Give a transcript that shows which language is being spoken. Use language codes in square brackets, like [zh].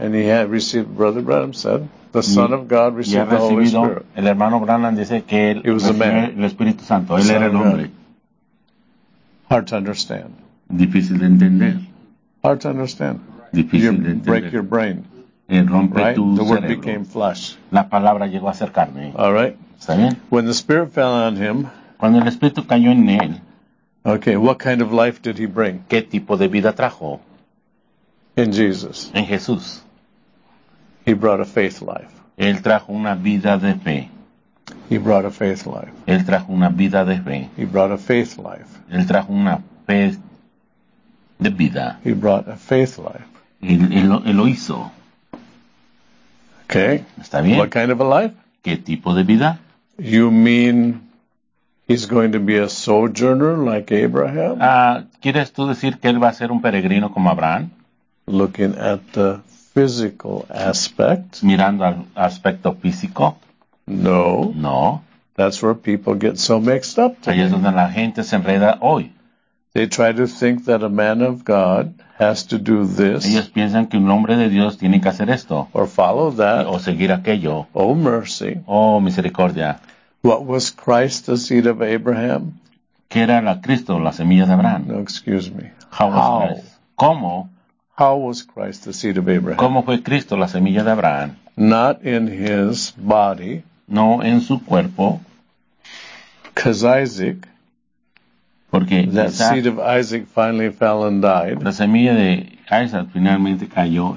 [en] And he had received, Brother Branham said, the Son of God received the Holy Spirit. [es] El hermano Branham dice que él recibió el Espíritu Santo. Él son era el hombre. [en] Hard to understand. [es] Difícil de entender. [en] Hard to understand. [es] Difícil [en] you [es] de entender. [en] Break your brain. [es] Rompe [en] right? [es] Tu [en] the [es] cerebro. [en] Word became flesh. [es] La palabra llegó a ser carne. [en] All right. [es] ¿Está bien? [en] When the Spirit fell on him. [es] Cuando el Espíritu cayó en él. [en] Okay, what kind of life did he bring? [es] ¿Qué tipo de vida trajo? [en] In Jesus. [es] En Jesús. [en] He brought a faith life. [es] Él trajo una vida de fe. [en] He brought a faith life. [es] Él trajo una vida de fe. [en] He brought a faith life. [es] Él trajo una fe de vida. [en] He brought a faith life. [es] Él lo hizo. [en] Okay. [es] ¿Está bien? [en] What kind of a life? [es] ¿Qué tipo de vida? [en] You mean he's going to be a sojourner like Abraham? [es] ¿Quieres tú decir que él va a ser un peregrino como Abraham? [en] Looking at the physical aspect. [es] Mirando al aspecto físico. [en] No. [es] No. [en] That's where people get so mixed up today. [es] Ahí es donde la gente se enreda hoy. [en] They try to think that a man of God has to do this. [es] Ellos piensan que un hombre de Dios tiene que hacer esto. [en] Or follow that. [es] O seguir aquello. [en] Oh mercy. [es] Oh misericordia. [en] What was Christ, the seed of Abraham? [es] ¿Qué era la Cristo, la semilla de Abraham? [en] No, excuse me. How? [es] ¿Cómo? [en] How was Christ the seed of Abraham? [es] ¿Cómo fue Cristo la semilla de Abraham? [en] Not in his body. [es] No en su cuerpo. [en] Because Isaac. [es] Porque [en] that Isaac, seed of Isaac finally fell and died. [es] La semilla de Isaac finalmente cayó.